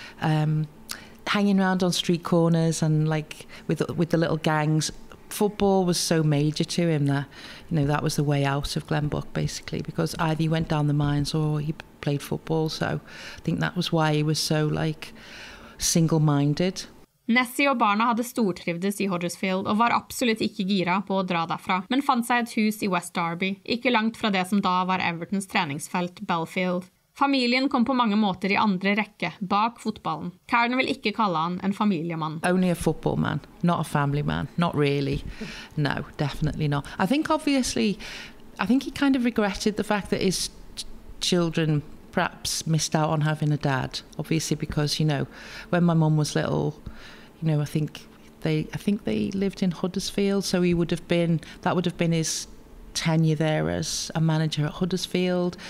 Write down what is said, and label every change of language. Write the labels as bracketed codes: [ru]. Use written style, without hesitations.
[en] Hanging around on street corners and like with the little gangs, football was so major to him that, you know, that was the way out of Glenbuch, basically, because either he went down the mines or he played football. So I think that was why he was so, like, single-minded. [no] Nessie og barna hadde stortrivdes i Huddersfield og var absolutt ikke gira på å dra derfra, men fant seg et hus i West Derby, ikke langt fra det som da var Evertons treningsfelt, Belfield. Familien kom på mange måter I andre rekke, bak fotballen. Karen vil ikke kalle han en familiemann. [en] Only a football man, not a family man, not really. No, definitely not. I think obviously, I think he kind of regretted the fact that his children perhaps missed out on having a dad. Obviously because, you know, when my mum was little, you know, I think they lived in Huddersfield, so he would have been, that would have been his tenure there as a manager at Huddersfield.